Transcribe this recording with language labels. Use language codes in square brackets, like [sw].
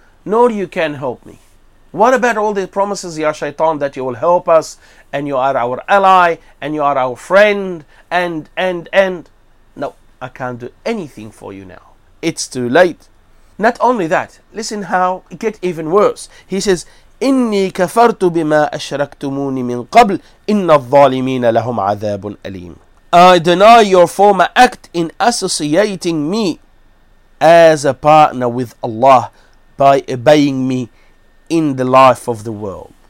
[en] Nor you can help me. What about all the promises, ya shaitan, that you will help us, and you are our ally, and you are our friend, and... No, I can't do anything for you now. It's too late. Not only that, listen how it gets even worse. He says, [ar] إِنِّي كَفَرْتُ بِمَا أَشْرَكْتُمُونِ مِنْ قَبْلِ إِنَّ الظَّالِمِينَ لَهُمْ عَذَابٌ أَلِيمٌ. [en] I deny your former act in associating me as a partner with Allah by obeying me in the life of the world.